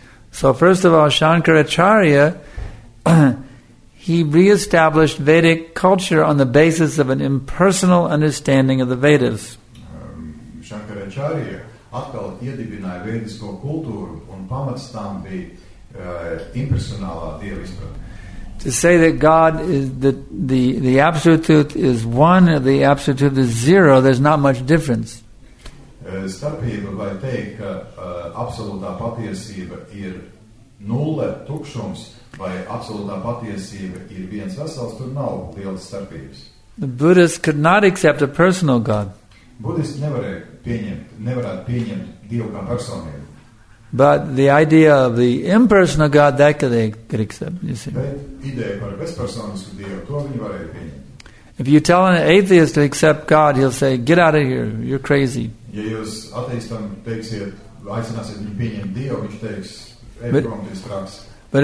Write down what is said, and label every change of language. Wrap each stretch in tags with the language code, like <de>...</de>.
<en>So first of all, Shankaracharya, he re-established Vedic culture on the basis of an impersonal understanding of the Vedas.</en> <lv>Shankaracharya atkal iedibināja vedisko kultūru, un pamats tam bija impersonālā dievisprat.</lv> <en>To say that God is the absolute truth is one, or the absolute truth is zero, there's not much difference.</en> <lv>Starpība vai teikt, ka absolūtā patiesība ir nulle, tukšums, vai absolūtā patiesība ir viens vesels, tur nav lielas starpības.</lv> <en>The Buddhists could not accept a personal God.</en> <lv>Buddhists nevarētu pieņemt Dievu kā personību.</lv> <en>But the idea of the impersonal God, that they could accept, you see. If you tell an atheist to accept God, he'll say, get out of here, you're crazy. But</en>